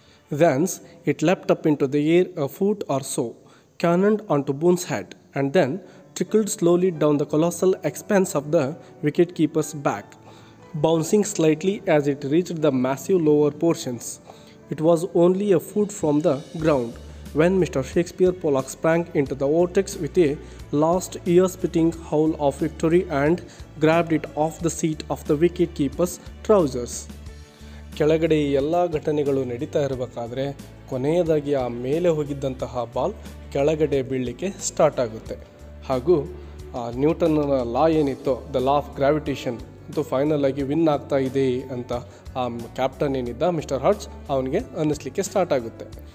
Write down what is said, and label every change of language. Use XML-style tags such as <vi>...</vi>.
<en>Thence it leapt up in to the air a foot or so cannoned on to Boon's head and then trickled slowly down the colossal expanse of the wicket keeper's back bouncing slightly as it reached the massive lower portions. It was only a foot from the ground when Mr. Shakespeare Pollock sprang into the vortex with a last ear-splitting howl of victory and grabbed it off the seat of the wicket-keeper's trousers.</en> <kn>ಕೆಳಗಡೆ ಈ ಎಲ್ಲ ಘಟನೆಗಳು ನಡೀತಾ ಇರಬೇಕಾದ್ರೆ ಕೊನೆಯದಾಗಿ ಆ ಮೇಲೆ ಹೋಗಿದ್ದಂತಹ ball ಕೆಳಗಡೆ ಬೀಳಲಿಕ್ಕೆ ಸ್ಟಾರ್ಟ್ ಆಗುತ್ತೆ, ಹಾಗೂ ಆ ನ್ಯೂಟನ್ನ ಲಾ ಏನಿತ್ತು,</kn> <en>the law of gravitation,</en> <kn>ಅಂತೂ ಫೈನಲ್ ಆಗಿ ವಿನ್ ಆಗ್ತಾ ಇದೆ ಅಂತ ಆ ಕ್ಯಾಪ್ಟನ್ ಏನಿದ್ದ ಮಿಸ್ಟರ್ ಹಾಡ್ಸ್ ಅವನಿಗೆ ಅನ್ನಿಸ್ಲಿಕ್ಕೆ ಸ್ಟಾರ್ಟ್ ಆಗುತ್ತೆ.</kn>